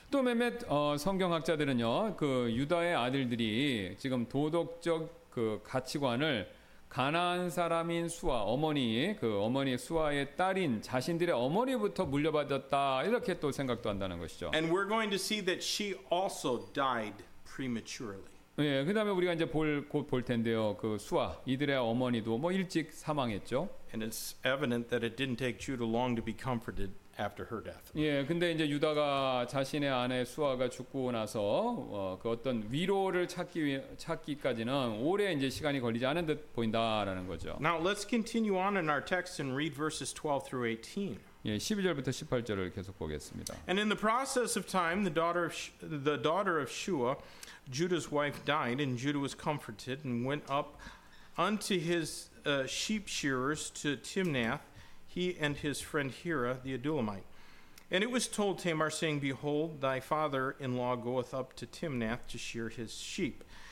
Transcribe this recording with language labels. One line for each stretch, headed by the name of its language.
Korean: 또 몇몇 성경학자들은요, 그 유다의 아들들이 지금 도덕적 그 가치관을 가나안 사람인 수아 어머니 그 어머니 수아의 딸인 자신들의 어머니부터 물려받았다 이렇게 또 생각도 한다는 것이죠.
English: And we're going to see that she also died prematurely.
Korean: 예, 그다음에 우리가 이제 곧 볼 텐데요. 그 수아 이들의 어머니도 뭐 일찍 사망했죠.
English: And it's evident that it didn't take Judah long to be comforted after her death.
Korean: 예, 근데 이제 유다가 자신의 아내 수아가 죽고 나서 그 어떤 위로를 찾기까지는 오래 이제 시간이 걸리지 않은 듯 보인다라는 거죠.
English: Now let's continue on in our text and read verses 12 through 18.
Korean: 예, 12절부터 18절을 계속 보겠습니다.
English: And in the process of time, the daughter of Shua, Judah's wife, died, and Judah was comforted and went up unto his sheep shearers to Timnath. He and his friend Hira the Adullamite. And it was told Tamar, saying, Behold, thy father-in-law goeth up to Timnath to shear his sheep.